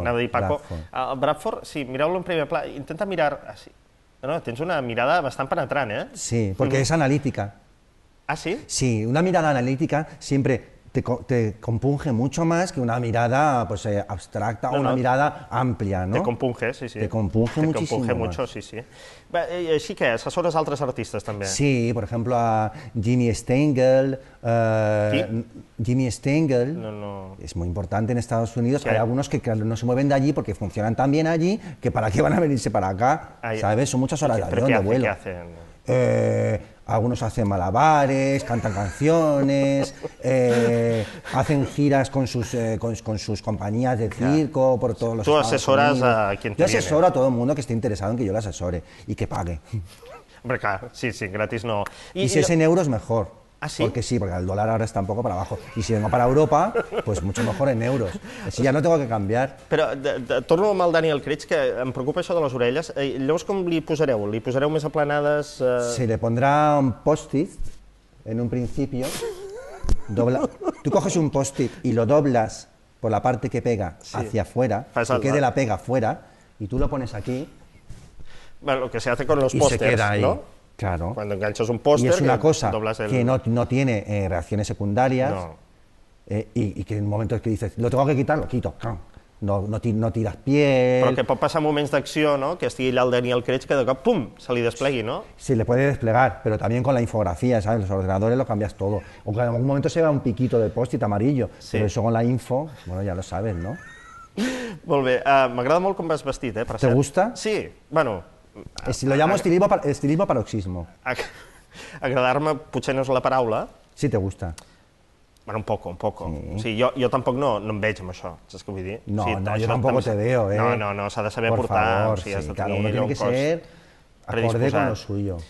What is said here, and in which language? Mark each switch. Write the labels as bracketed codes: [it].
[ca] anava a dir Paco. Bradford. El Bradford, sí, mireu-lo en primer pla, intenta mirar així. No, no, tens una mirada bastant penetrant, eh? Sí, perquè és analítica. Ah, sí? [es] Sí, una mirada analítica sempre te compunge mucho más que una mirada pues, abstracta, no, o una, no, mirada amplia, ¿no? Te compunge, sí, sí. Te compunge muchísimo. Te compunge mucho, más, sí, sí. [ca] I així que assessores altres artistes també. [es] Sí, por ejemplo, a Jimmy Stengel. [ca] ¿Qui? Jimmy Stengel. No, no. [es] Es muy importante en Estados Unidos. ¿Qué? Hay algunos que no se mueven de allí porque funcionan tan bien allí que para qué van a venirse para acá, ay, ¿sabes? Son muchas horas, sí, de avión, de vuelo. ¿Qué hacen? Algunos hacen malabares, cantan canciones, hacen giras con sus compañías de circo, claro, por todos, sí, los Estados Unidos. Tú asesoras a quien te viene. Yo asesoro a todo el mundo que esté interesado en que yo lo asesore y que pague. Hombre, claro, sí, sí, gratis no. Y si es en euros, mejor. ¿Ah, sí? Porque sí, porque el dólar ahora está un poco para abajo. Y si vengo para Europa, pues mucho mejor en euros. Así ya no tengo que cambiar. [ca] Pero, torno amb el Daniel Creig, que em preocupa això de les orelles. Llavors, com li posareu? Li posareu més aplanades? [es] Se le pondrá un post-it en un principio. Dobla. Tú coges un post-it y lo doblas por la parte que pega, sí, hacia afuera, que quede la pega fuera, y tú lo pones aquí. Bueno, lo que se hace con los pósters, ¿no? Y se queda ahí. ¿No? Claro. Cuando enganchas un póster... Y es una cosa el... que no tiene reacciones secundarias, no. Y que en momentos que dices, lo tengo que quitar, lo quito. No tiras piel... [ca] Però que pot passar moments d'acció, no? Que estigui allà el Daniel Creig, que de cop, pum, se li desplegui, no? [es] Sí, le puede desplegar, pero también con la infografía, ¿sabes? Los ordenadores lo cambias todo. O que en algún momento se vea un piquito de post-it amarillo, sí, pero eso con la info, bueno, ya lo sabes, ¿no? [ca] Molt bé. M'agrada molt com vas vestit, per [es] cert. ¿Te gusta? Sí, bueno... Lo llamo estilismo paroxismo. [ca] Agradar-me potser no és la paraula. [es] Si te gusta. Bueno, un poco, un poco. Sí. [ca] Sí, jo tampoc no em veig amb això, saps què vull dir? No, sí, no, jo tampoc [es] te veo. [ca] No, s'ha de saber portar. [es] Por favor, sí, cada uno tiene que ser acorde con lo suyo.